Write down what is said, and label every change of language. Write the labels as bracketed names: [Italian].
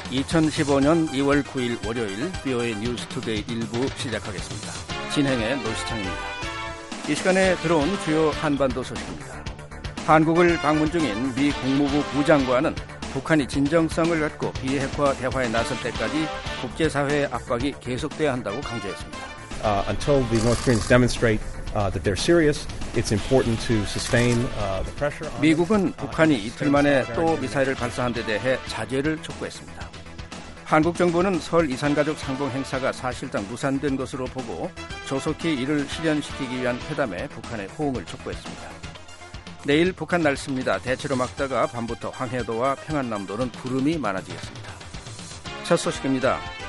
[Korean] 2015년 2월 9일 월요일 VOA 뉴스 투데이 1부 시작하겠습니다. 진행의 노시창입니다. 이 시간에 들어온 주요 한반도 소식입니다. 한국을 방문 중인 미 국무부 부장관은 북한이 진정성을 갖고 비핵화 대화에 나설 때까지 국제사회의 압박이 계속돼야 한다고 강조했습니다. [English] Until the North Koreans demonstrate that they're serious, it's important to sustain the pressure. [Korean] 미국은 북한이 이틀 만에 또 미사일을 발사한 데 대해 자제를 촉구했습니다. 한국 정부는 설 이산가족 상봉 행사가 사실상 무산된 것으로 보고 조속히 이를 실현시키기 위한 회담에 북한의 호응을 촉구했습니다. 내일 북한 날씨입니다. 대체로 맑다가 밤부터 황해도와 평안남도는 구름이 많아지겠습니다. 첫 소식입니다.